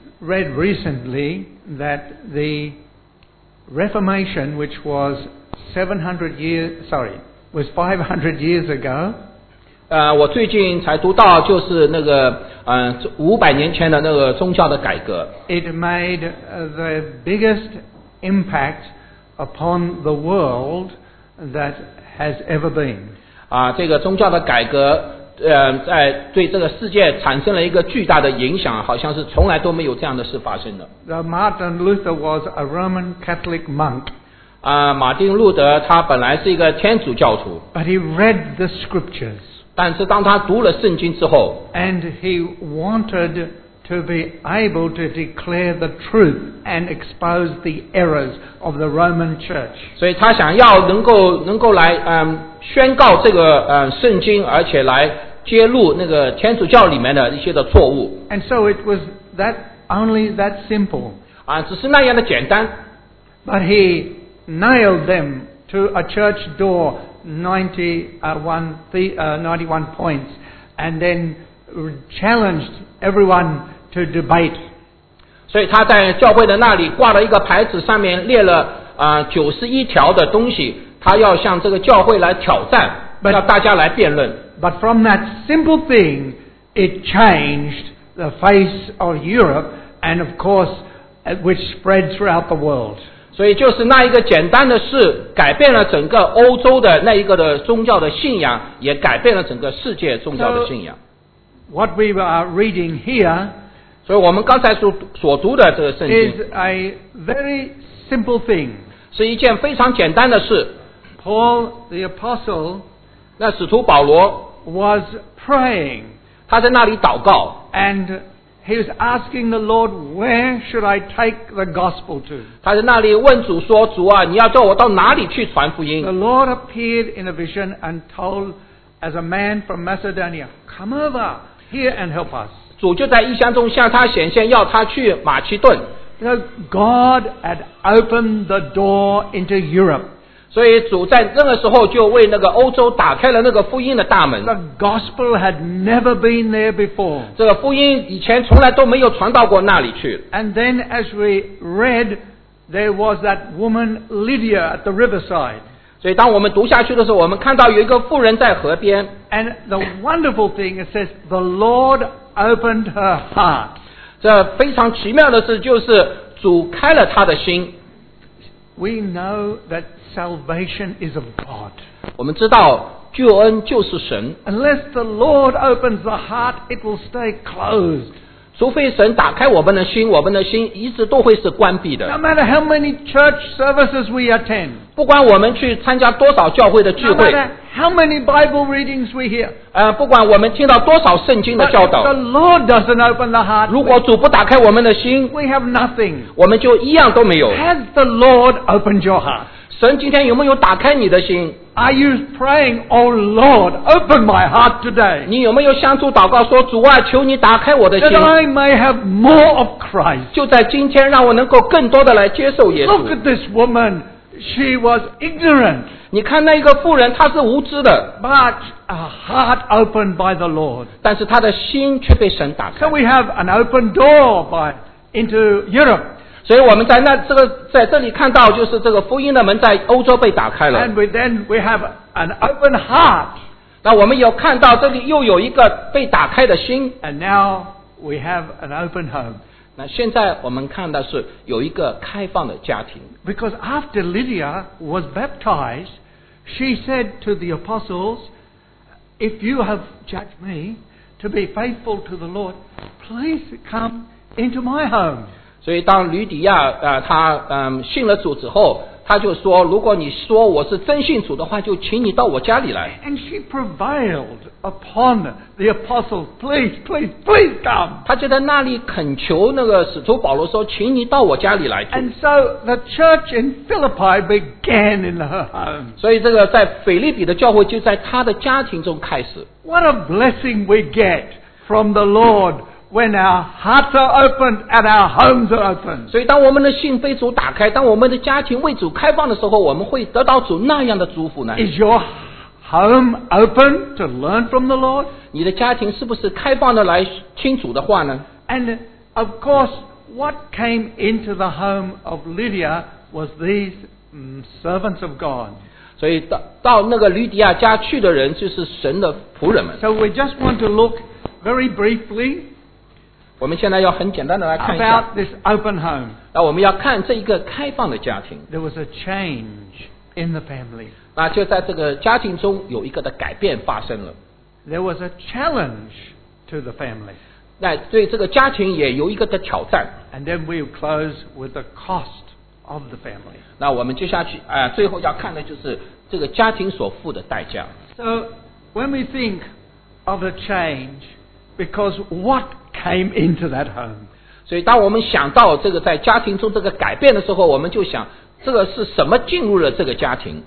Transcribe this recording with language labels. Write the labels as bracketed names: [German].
[English] Read recently that the Reformation, which was 500 years ago. [Chinese] 我最近才读到就是那个500年前的那个宗教的改革。 [English] It made the biggest impact upon the world that has ever been. [Chinese] 啊，这个宗教的改革，在对这个世界产生了一个巨大的影响，好像是从来都没有这样的事发生的。 [English] Martin Luther was a Roman Catholic monk. [Chinese] 啊，马丁路德他本来是一个天主教徒。 [English] But he read the scriptures. [Chinese] 但是当他读了圣经之后 [English] ，and he wanted to be able to declare the truth and expose the errors of the Roman Church. [Chinese] 所以他想要能够来宣告这个圣经，而且来揭露那个天主教里面的一些的错误。 [English] And so it was that only that simple. [Chinese] 啊，只是那样的简单。 [English] But he nailed them to a church door. 91 points and then challenged everyone to debate. [Chinese] 所以他在教会的那里挂了一个牌子，上面列了91条的东西，他要向这个教会来挑战，让大家来辩论。 [English] But from that simple thing, it changed the face of Europe and of course, which spread throughout the world. [Chinese] 所以就是那一个简单的事改变了整个欧洲的那一个的宗教的信仰，也改变了整个世界宗教的信仰。 [English] So, what we are reading here, [Chinese] 所以我们刚才所读的这个圣经 [English] is a very simple thing. [Chinese] 是一件非常简单的事。 [English] Paul the Apostle, [Chinese] 那使徒保罗 [English] was praying. [Chinese] 他在那里祷告。 [English] And,He was asking the Lord, "Where should I take the gospel to?" [Chinese] 他在那里问主说：“主啊，你要叫我到哪里去传福音？” [English] The Lord appeared in a vision and told, "As a man from Macedonia, come over here and help us." [Chinese] 主就在异象中向他显现，要他去马其顿。 [English] So God had opened the door into Europe. [Chinese] 所以主在那个时候就为那个欧洲打开了那个福音的大门。 [English] The gospel had never been there before. [Chinese] 这个福音以前从来都没有传到过那里去。 [English] And then as we read, there was that woman Lydia at the riverside. [Chinese] 所以当我们读下去的时候，我们看到有一个妇人在河边。 [English] And the wonderful thing, it says, the Lord opened her heart. [Chinese] 这非常奇妙的事就是主开了她的心。 [English] We know that salvation is of God. [Chinese] 我们知道救恩就是神。 [English] Unless the Lord opens the heart, it will stay closed. [Chinese] 除非神打开我们的心，我们的心一直都会是关闭的。 [English] No matter how many church services we attend. [Chinese] 不管我们去参加多少教会的聚会。 [English] No matter how many Bible readings we hear. [Chinese] 不管我们听到多少圣经的教导。 [English] But if the Lord doesn't open the heart, [Chinese] 如果主不打开我们的心， [English] we have nothing. [Chinese] 我们就一样都没有。 [English] Has the Lord opened your heart? [Chinese] 神今天有没有打开你的心 [English] ？Are you praying, O Lord, open my heart today? [Chinese] 你有没有向主祷告说，主啊，求你打开我的心 [English] ？That I may have more of Christ. [Chinese] 就在今天，让我能够更多的来接受耶稣。 [English] Look at this woman; she was ignorant. [Chinese] 你看那个妇人，她是无知的。 [English] But a heart opened by the Lord. [Chinese] 但是她的心却被神打开。 [English] So we have an open door by into Europe. [Chinese] 所以我们在那这个在这里看到，就是这个福音的门在欧洲被打开了。 [English] And we then we have an open heart. [Chinese] 那我们有看到这里又有一个被打开的心。 [English] And now we have an open home. [Chinese] 那现在我们看到是有一个开放的家庭。 [English] Because after Lydia was baptized, she said to the apostles, "If you have judged me to be faithful to the Lord, please come into my home." [Chinese] 所以当吕底亚他信了主之后，他就说，如果你说我是真信主的话，就请你到我家里来。 [English] And she prevailed upon the apostles, please, please, please come. [Chinese] 他就在那里恳求那个使徒保罗说，请你到我家里来。 [English] And so the church in Philippi began in her home. [Chinese] 所以这个在腓立比的教会就在他的家庭中开始。 [English] What a blessing we get from the Lord. When our hearts are opened and our homes are opened. [Chinese] 所以当我们的心被主打开，当我们的家庭为主开放的时候，我们会得到主那样的祝福呢？ [English] Is your home open to learn from the Lord? [Chinese] 你的家庭是不是开放的来听主的话呢？ [English] And of course, what came into the home of Lydia was these servants of God. [Chinese] 所以到那个吕底亚家去的人就是神的仆人们。 [English] So we just want to look very briefly. [Chinese] 我们现在要很简单的来看一下。 [English] About this open home. [Chinese] 那我们要看这一个开放的家庭。 [English] There was a change in the family. [Chinese] 那就在这个家庭中有一个的改变发生了。 [English] There was a challenge to the family. [Chinese] 那对这个家庭也有一个的挑战。 [English] And then we close with the cost of the family. [Chinese] 那我们接下去啊、最后要看的就是这个家庭所付的代价。 [English] So when we think of a change, because what came into that home? [Chinese] 所以当我们想到这个在家庭中这个改变的时候，我们就想。这个是什么进入了这个家庭？